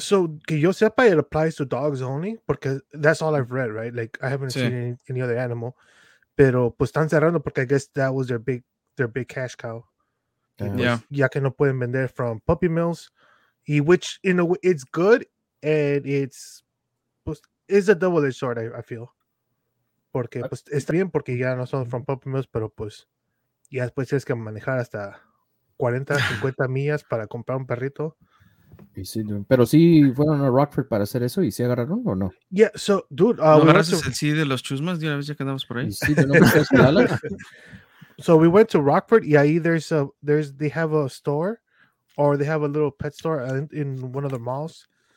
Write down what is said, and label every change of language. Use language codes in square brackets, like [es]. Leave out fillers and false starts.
[en] so [es] que yo sepa, [en] it applies to dogs only [es] porque [en] that's all I've read, right? Like I haven't seen any other animal, [es] pero pues están cerrando porque [en] I guess that was their big cash cow. [es] Ya que no pueden vender [en] from puppy mills, which in a way it's good and it's. Is a double-edged sword, I feel. [es] Porque, pues, está bien porque ya no son [en] from puppy mills, [es] pero, pues, ya después tienes que manejar hasta 40, 50 millas para comprar un perrito. Y sí, pero sí fueron a Rockford para hacer eso y sí agarraron, ¿o no? [en] Yeah, so, dude. [es] ¿No agarraste el sí de los chusmas de una vez ya que andamos por ahí? Sí, de nombre es Dallas. [en] So, we went to Rockford [es] y ahí [en] they have a store or they have a little pet store in one of the malls.